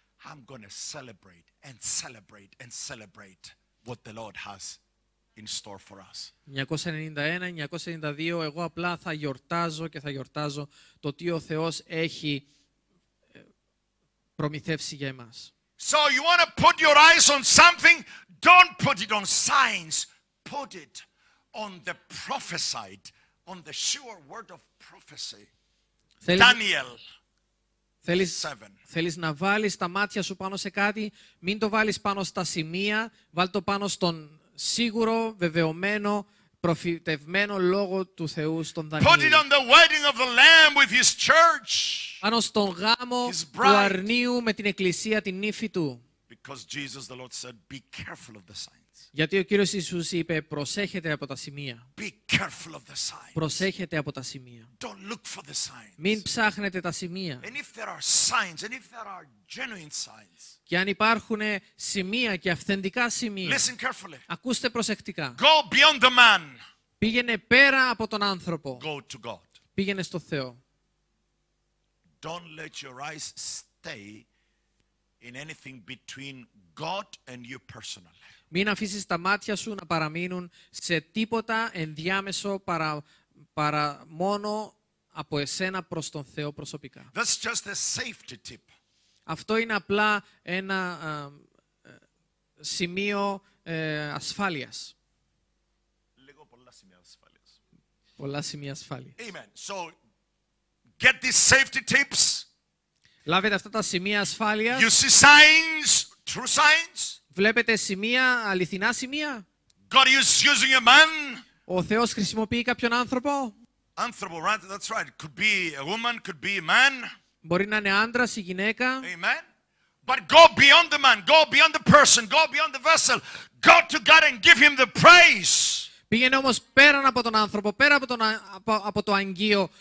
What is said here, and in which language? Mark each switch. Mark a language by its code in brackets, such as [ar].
[en] I'm gonna celebrate and celebrate and celebrate what the Lord has in store for us. [el] 991, 992, εγώ απλά θα γιορτάζω και θα γιορτάζω το τι ο Θεός έχει προμηθεύσει για εμάς. [en] So you want to put your eyes on something? Don't put it on signs. Put it on the prophesied, on the sure word of prophecy. Daniel. [el] Θέλεις να βάλεις τα μάτια σου πάνω σε κάτι, μην το βάλεις πάνω στα σημεία, βάλ το πάνω στον σίγουρο, βεβαιωμένο, προφητευμένο λόγο του Θεού στον Δανιήλ. [en] Put it on the wedding of the Lamb with His church. [el] Πάνω στον γάμο του Αρνίου με την Εκκλησία, την νύφη Του. [en] Because Jesus the Lord said, be careful of the signs. [el] Γιατί ο Κύριος Ιησούς είπε, προσέχετε από τα σημεία. [en] Be careful of the signs. [el] Προσέχετε από τα σημεία. [en] Don't look for the signs. [el] Μην ψάχνετε τα σημεία. [en] And if there are signs, and if there are genuine signs. [el] Και αν υπάρχουν σημεία και αυθεντικά σημεία, [en] listen carefully. [el] Ακούστε προσεκτικά. [en] Go beyond the man. [el] Πήγαινε πέρα από τον άνθρωπο. [en] Go to God. [el] Πήγαινε στο Θεό. [en] Don't let your eyes stay in anything between God and you personally. [el] Μην αφήσεις τα μάτια σου να παραμείνουν σε τίποτα ενδιάμεσο παρά μόνο από εσένα προς τον Θεό προσωπικά. [en] That's just a safety tip. [el] Αυτό είναι απλά ένα σημείο ασφάλειας. Λίγο πολλά σημεία ασφάλειας. Πολλά σημεία ασφάλειας. [en] Amen. So, get these safety tips. [el] Λάβετε αυτά τα σημεία ασφάλειας. [en] You see signs, true signs. [el] Βλέπετε σημεία, αληθινά σημεία. [en] God is using a man. [el] Ο Θεός χρησιμοποιεί κάποιον άνθρωπο. Άνθρωπο, [en] right, that's right. Could be a woman, could be a man. [el] Μπορεί να είναι άντρας ή γυναίκα. [en] Amen. But go beyond the man, go beyond the person, go beyond the vessel. Go to God and give Him the praise. [el] Πήγαινε όμως πέραν από τον άνθρωπο, πέρα από, από το αγγείο.